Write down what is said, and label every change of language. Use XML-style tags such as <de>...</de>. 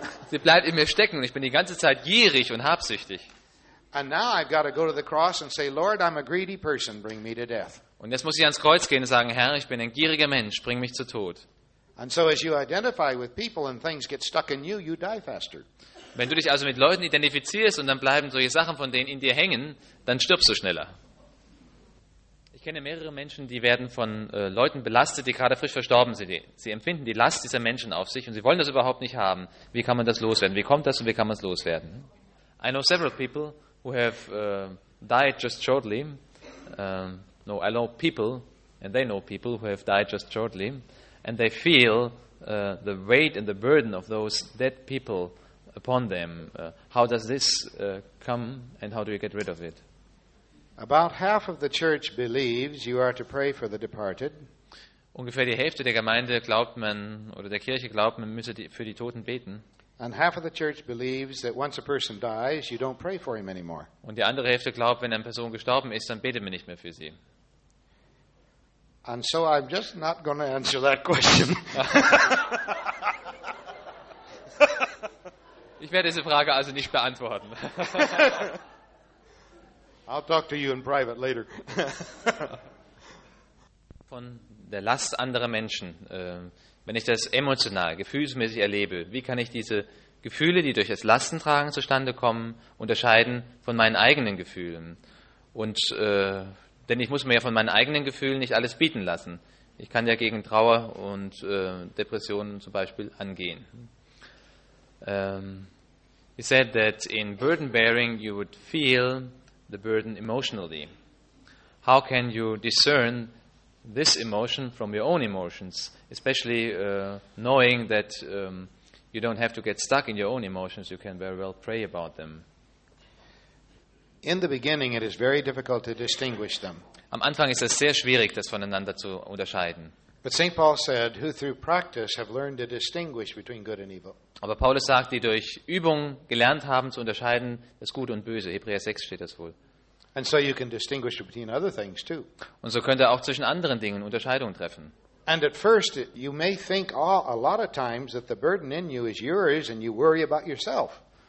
<de>Sie bleibt in mir stecken und ich bin die ganze Zeit gierig und habsüchtig.</de> <en>And now I've got to go to the cross and say, Lord, I'm a greedy person, bring me to death.</en> <de>Und jetzt muss ich ans Kreuz gehen und sagen, Herr, ich bin ein gieriger Mensch, bring mich zu Tod.</de> <en>And so as you identify with people and things get stuck in you, you die faster.</en> <de>Wenn du dich also mit Leuten identifizierst und dann bleiben solche Sachen von denen in dir hängen, dann stirbst du schneller. Ich kenne mehrere Menschen, die werden von Leuten belastet, die gerade frisch verstorben sind. Sie empfinden die Last dieser Menschen auf sich und sie wollen das überhaupt nicht haben. Wie kann man das loswerden? Wie kommt das und wie kann man es loswerden?</de> <en>I know several people who have died just shortly. No, I know people, and they know people who have died just shortly, and they feel the weight and the burden of those dead people upon them. How does this come and how do you get rid of it? About half of the church believes you are to pray for the departed.</en> <de>Ungefähr die Hälfte der Gemeinde glaubt man oder der Kirche glaubt man müsse für die Toten beten.</de> <en>And half of the church believes that once a person dies, you don't pray for him anymore.</en> <de>Und die andere Hälfte glaubt, wenn eine Person gestorben ist, dann betet man nicht mehr für sie.</de> <en>And so I'm just not going to answer that question.</en> <de>Ich werde diese Frage also nicht beantworten.</de> <en>I'll talk to you in private later.</en> <de>Von der Last anderer Menschen, wenn ich das emotional, gefühlsmäßig erlebe, wie kann ich diese Gefühle, die durch das Lastentragen zustande kommen, unterscheiden von meinen eigenen Gefühlen? Und denn ich muss mir ja von meinen eigenen Gefühlen nicht alles bieten lassen. Ich kann ja gegen Trauer und Depressionen zum Beispiel angehen.</de> <en>You said that in burden bearing you would feel the burden emotionally. How can you discern this emotion from your own emotions, especially knowing that you don't have to get stuck in your own emotions, you can very well pray about them? In the beginning it is very difficult to distinguish them.</en> <de>Am Anfang ist es sehr schwierig, das voneinander zu unterscheiden.</de> <en>But St. Paul said, who through practice have learned to distinguish between good and evil.</en> <de>Aber Paulus sagt, die durch Übung gelernt haben zu unterscheiden das Gute und Böse. Hebräer 6 steht das wohl.</de> <en>And so you can distinguish between other things too.</en> <de>Und so könnt ihr auch zwischen anderen Dingen Unterscheidungen treffen.</de> <en>And at first you may think a lot of times that the burden in you is yours and you worry about yourself.</en>